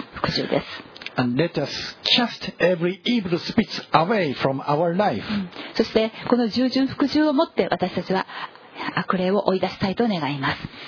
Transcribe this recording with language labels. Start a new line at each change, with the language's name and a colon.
Japanese: 服従です。
English: And let us cast every evil spirit away from our life.
Japanese: そしてこの従順服従をもって私たちは悪霊を追い出したいと願います。